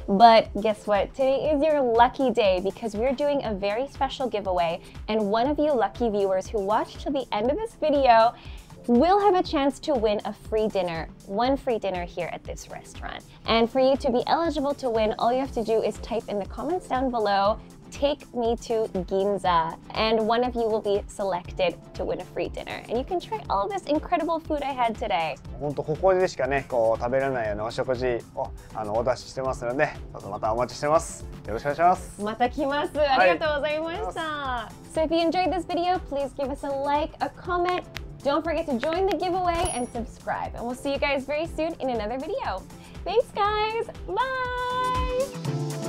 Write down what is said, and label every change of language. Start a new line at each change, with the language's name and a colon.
English: But guess what? Today is your lucky day because we're doing a very special giveaway, and one of you lucky viewers who watched till the end of this video will have a chance to win a free dinner, one free dinner here at this restaurant. And for you to be eligible to win, all you have to do is type in the comments down below,Take me to Ginza, and one of you will be selected to win a free dinner. And you can try all this incredible food I had today.
Japanese: 本当ここでしかね、こう食べれないようなお食事をお出ししてますので、ちょっとまたお待ちしてます。よろしくお願いします。また来ます。ありがとうございました。
English: はい、so if you enjoyed this video, please give us a like, a comment. Don't forget to join the giveaway and subscribe. And we'll see you guys very soon in another video. Thanks, guys. Bye.